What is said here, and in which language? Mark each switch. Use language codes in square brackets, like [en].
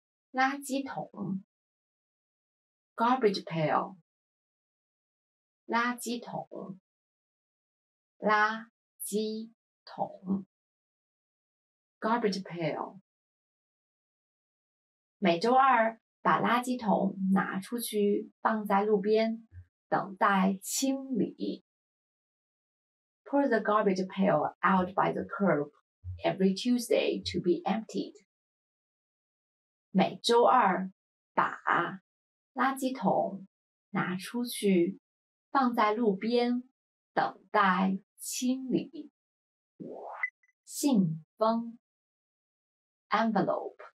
[zh] 垃圾桶 Garbage pail 垃圾桶垃圾桶 Garbage pail每周二把垃圾桶拿出去放在路边等待清理。 [en] Pour the garbage pail out by the curb every Tuesday to be emptied. [zh] 每周二把垃圾桶拿出去放在路边等待清理。信封 Envelope.